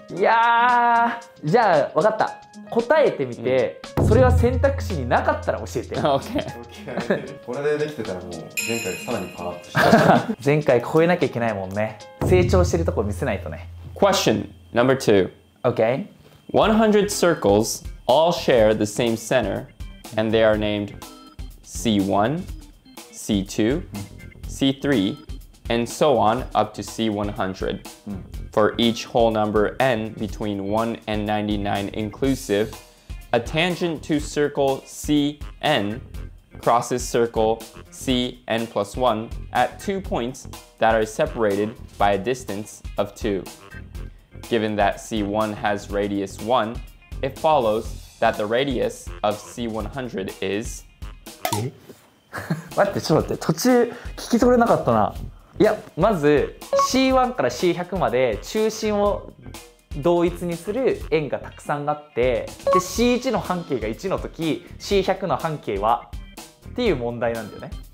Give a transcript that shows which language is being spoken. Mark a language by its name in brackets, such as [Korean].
[Japanese] いやー、じゃあ分かった、答えてみて、うん、それは選択肢になかったら教えて。 [English] OK。 [Japanese] これでできてたらもう前回さらにパワーアップした。前回超えなきゃいけないもんね。成長してるとこ見せないとね。 [English] Question number two. OK. 100 circles all share the same center and they are named C1, C2, C3, and so on up to C100. For each whole number n between 1 and 99 inclusive, a tangent to circle CN crosses circle CN plus 1 at two points that are separated by a distance of 2. Given that C1 has radius 1, it follows that the radius of C100 is... [Japanese] え待って、ちょっと待って、途中聞き取れなかったな。いや、まず C1 から C100 まで中心を同一にする円がたくさんあって、で C1 の半径が1の時 C100 の半径はっていう問題なんだよね。